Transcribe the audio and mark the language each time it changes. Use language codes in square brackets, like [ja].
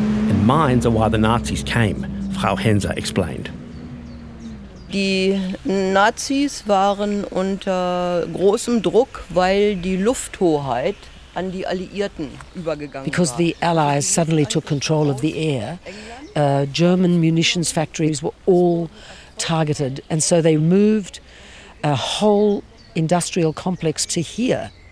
[en] And mines are why the Nazis came, Frau Henser explained. [de] Die Nazis waren unter großem Druck, weil die Lufthoheit an die Alliierten übergegangen war. [en] Because the Allies suddenly took control of the air, German munitions factories were all targeted, and so they moved a whole industrial complex to here.